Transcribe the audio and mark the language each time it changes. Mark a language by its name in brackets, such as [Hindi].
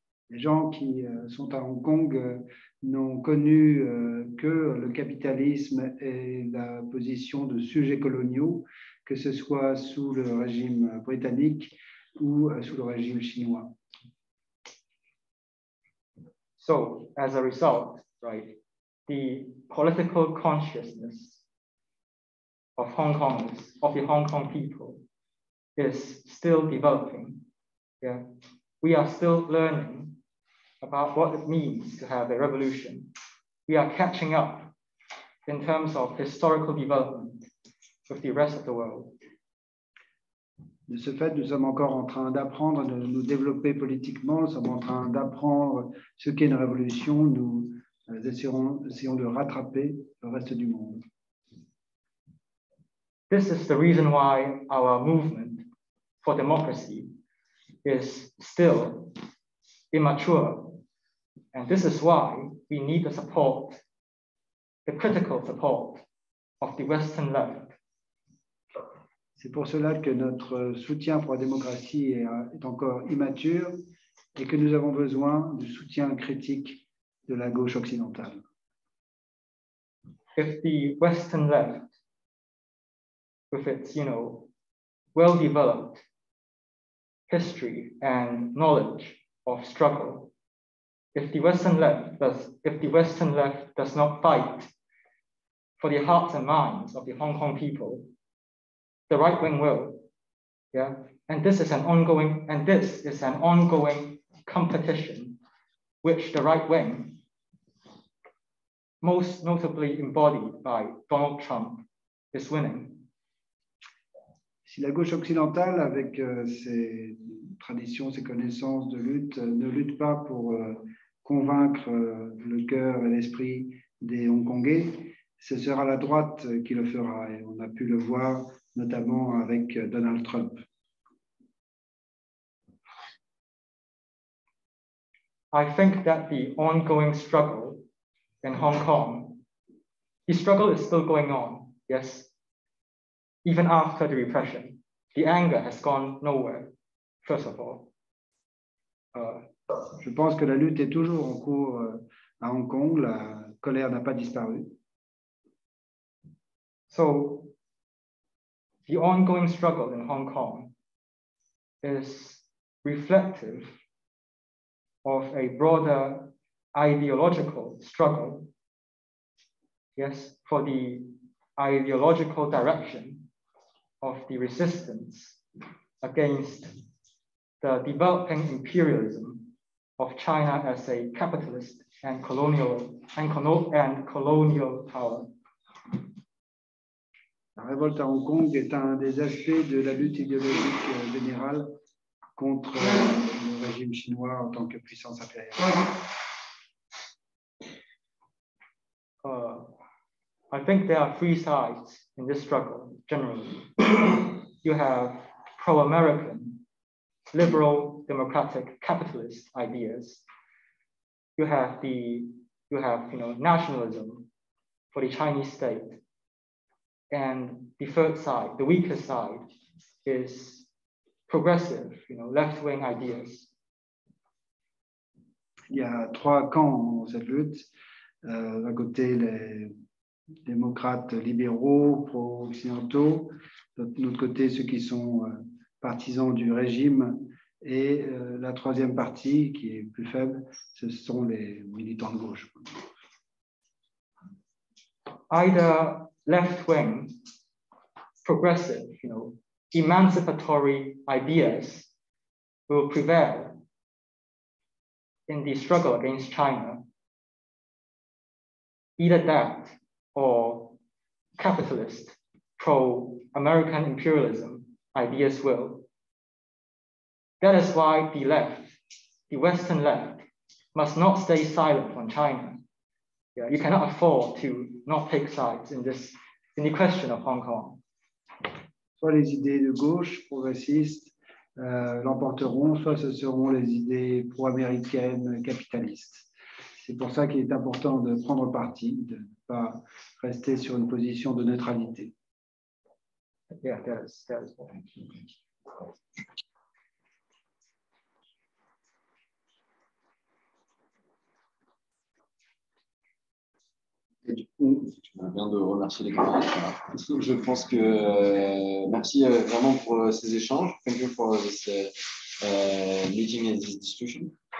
[French] Les gens qui sont à Hong Kong n'ont connu que le capitalisme et la position de sujets coloniaux, que ce soit sous le régime britannique ou sous le régime chinois. [English] So, as a result, right, the political consciousness of Hong Kong, of the Hong Kong people, is still developing. Yeah. We are still learning about what it means to have a revolution. We are catching up in terms of historical development with the rest of the world. [French] De ce fait, nous sommes encore en train d'apprendre, de nous développer politiquement, nous sommes en train d'apprendre ce qu'est une révolution, nous essayons de rattraper le reste du monde. [English] This is the reason why our movement for democracy is still immature. And this is why we need the support, the critical support of the Western left. [French] C'est pour cela que notre soutien pour la démocratie est encore immature et que nous avons besoin du soutien critique de la gauche occidentale. [English] If the Western left, with its, you know, well-developed history and knowledge of struggle, if the Western left does not fight for the hearts and minds of the Hong Kong people, the right wing will, yeah. And this is an ongoing competition, which the right wing, most notably embodied by Donald Trump, is winning. [French] Si la gauche occidentale, avec ses traditions, ses connaissances de lutte, ne lutte pas pour convaincre le cœur et l'esprit des Hongkongais, ce sera la droite qui le fera. Et on a pu le voir notamment avec Donald Trump. [English] I think that the ongoing struggle in Hong Kong, the struggle is still going on, yes. Even after the repression, the anger has gone nowhere, first of all. [French] Je pense que la lutte est toujours en cours à Hong Kong, la colère n'a pas disparu. [English] So, the ongoing struggle in Hong Kong is reflective of a broader ideological struggle, yes, for the ideological direction of the resistance against the developing imperialism of China as a capitalist and colonial power. [French] La révolte à Hong Kong est un des aspects de la lutte idéologique générale contre le régime chinois en tant que puissance impériale. [English] I think there are three sides in this struggle, generally. You have pro-American, liberal, democratic, capitalist ideas. You have nationalism for the Chinese state. And the third side, the weakest side, is progressive, you know, left-wing ideas. [French] Il y a trois camps dans cette lutte. D'un côté, les démocrates libéraux, pro-occidentaux, de notre côté ceux qui sont partisans du régime, et la troisième partie qui est plus faible, ce sont les militants de gauche. [English] Either left-wing, progressive, you know, emancipatory ideas will prevail in the struggle against China. Either that or capitalist pro-American imperialism ideas will. That is why the left, the Western left, must not stay silent on China. Yeah, you cannot afford to not take sides in this, in the question of Hong Kong. [French] Soit les idées de gauche progressistes l'emporteront, soit ce seront les idées pro-américaines capitalistes. C'est pour ça qu'il est important de prendre parti, de ne pas rester sur une position de neutralité. [English] Yeah, that is. [French] Du coup, je viens de remercier les camarades. Je pense que merci vraiment pour ces échanges. [English] Thank you for this meeting and this discussion.